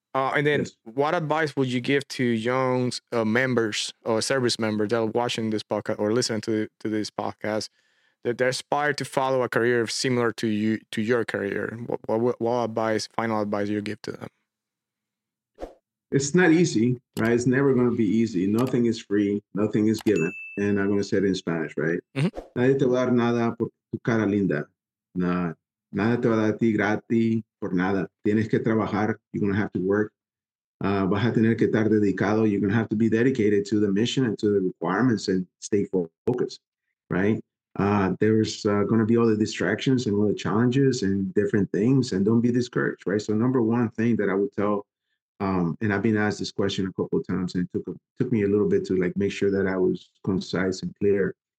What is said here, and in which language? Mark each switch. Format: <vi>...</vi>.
<en>And then what advice would you give to young members or service members that are watching this podcast or listening to this podcast that they aspire to follow a career similar to you, to your career? What final advice you give to them? It's not easy, right? It's never going to be easy. Nothing is free. Nothing is given. And I'm going to say it in Spanish, right?</en> <es>Nadie te va a dar nada por tu cara linda. Nada te va a dar a ti gratis por nada. Tienes que trabajar.</es> <en>You're going to have to work.</en> <es>Vas a tener que estar dedicado.</es> <en>You're going to have to be dedicated to the mission and to the requirements and stay focused, right? There's going to be all the distractions and all the challenges and different things. And don't be discouraged, right? So number one thing that I would tell, and I've been asked this question a couple of times, and it took me a little bit to, like, make sure that I was concise and clear.</en>